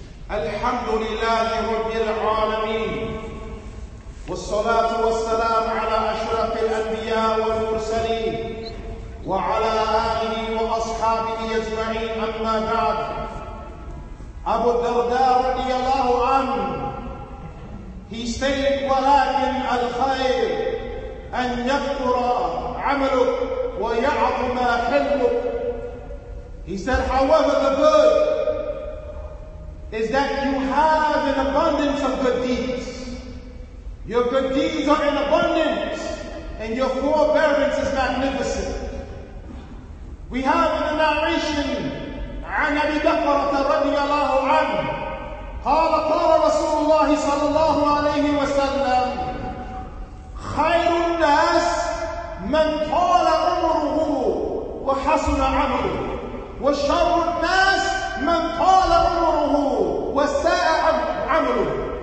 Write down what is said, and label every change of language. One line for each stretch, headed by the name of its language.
Arabic: الحمد لله رب العالمين والصلاة والسلام على أشرف الأنبياء والمرسلين وعلى آله وأصحابه أجمعين. أما بعد، أبو الدرداء رضي الله عنه
English: he stated
Arabic: ولكن الخير أن يكثر عملك ويعظم حلمك.
English: He said, however, the good is that you have an abundance of good deeds. Your good deeds are in abundance, and your forbearance is magnificent. We have in the narration,
Arabic: عن أبي بكرة رضي الله عنه قال قال رسول الله صلى الله عليه وسلم خير الناس من طال عمره وحسن عمله وشر الناس من طال عمره وساء عمله.